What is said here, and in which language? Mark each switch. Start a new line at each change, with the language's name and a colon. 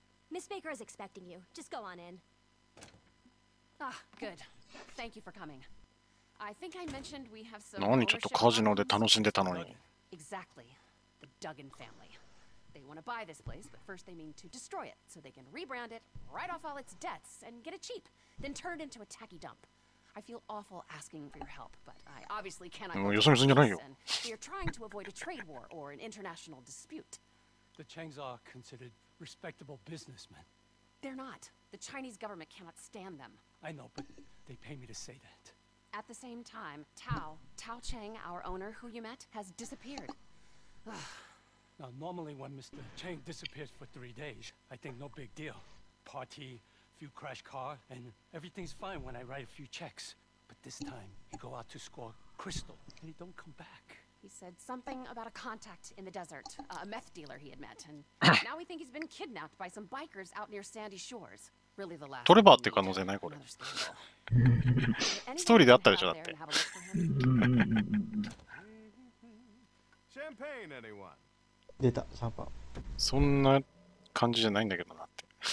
English: Miss Baker is expecting you. Just go on in. Ah, good. Thank you for coming. I think I mentioned we have some...
Japanese: 何ちょっとカジノで楽しんでたのに。
English: Exactly. The Duggan family. They want to buy this place, but first they mean to destroy it, so they can rebrand it, write off all its debts, and get it cheap, then turn it into a tacky dump. I feel awful asking for your help, but I obviously cannot...
Japanese: もうよそ見すんじゃないよ。
English: We are trying to avoid a trade war or an international dispute. The Changs are considered respectable businessmen. They're not. The Chinese government cannot stand them. I know, but they pay me to say that. At the same time, Tao Cheng, our owner who you met, has disappeared. Now, normally when Mr. Cheng disappears for 3 days, I think no big deal. Party, few crash car, and everything's fine when I write a few checks. But this time, he go out to score crystal, and he don't come back. He said something about a contact in the desert, a meth dealer he had met, and now we think he's been kidnapped by some bikers out near Sandy Shores. Really, the last.
Japanese: トレバーって可能性ないこれ。ストーリーであったでしょだって。
English: Champagne, anyone?
Japanese: 出た、シャンパン。そんな感じじゃないんだけどなって。